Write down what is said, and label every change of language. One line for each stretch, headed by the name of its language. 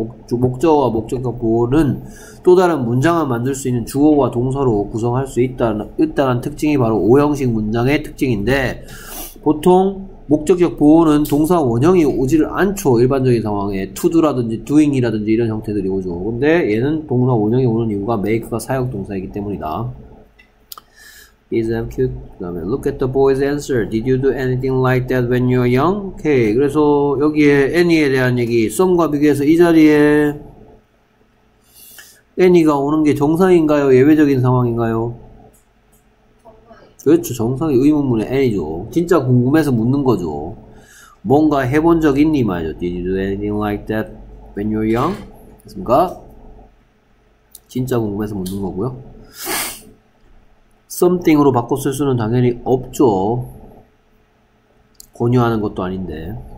Korean: 목적어와 목적격 보어는 또 다른 문장을 만들 수 있는 주어와 동사로 구성할 수 있다는 특징이 바로 5형식 문장의 특징인데 보통 목적격 보호는 동사 원형이 오지를 않죠. 일반적인 상황에 to do라든지 doing이라든지 이런 형태들이 오죠. 근데 얘는 동사 원형이 오는 이유가 make가 사역 동사이기 때문이다.
English: Is that cute?
Korean: 그 다음에
English: look at the boy's answer. Did you do anything like that when you were young?
Korean: Okay. 그래서 여기에 any에 대한 얘기 some과 비교해서 이 자리에 any가 오는 게 정상인가요? 예외적인 상황인가요? 그렇죠. 정상의 의문문의 A죠. 진짜 궁금해서 묻는 거죠. 뭔가 해본 적 있니 말이죠.
English: Did you do anything like that when you were young?
Korean: 됐습니까? 진짜 궁금해서 묻는 거고요. Something으로 바꿔 쓸 수는 당연히 없죠. 권유하는 것도 아닌데.